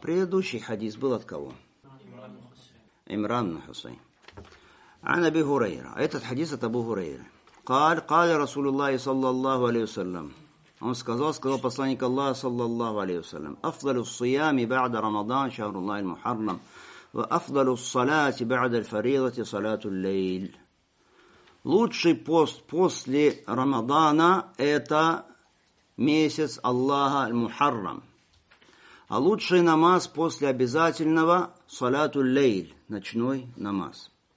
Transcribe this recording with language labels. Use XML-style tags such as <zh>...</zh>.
<ru>Предыдущий хадис был от кого? Имран ибн Хусейн.</ru> <ar>Ан Аби Хурейра.</ar> <ru>Этот хадис от Абу Хурейры.</ru> <ar>Каля Расулуллахи саллаллаху алейхи вассалям.</ar> <ru>Он сказал посланник Аллаха</ru> <ar>саллаллаху алейхи вассалям. Афдалю ссиями ба'да Рамадан шахруллахи аль-Мухаррам. وأفضل الصلاة بعد الفريضة صلاة الليل.</ar> <ru>Лучший пост после Рамадана это месяц Аллаха аль-Мухаррам. А лучший намаз после обязательного</ru> <ar>صلاة الليل,</ar> <ru>ночной намаз.</ru>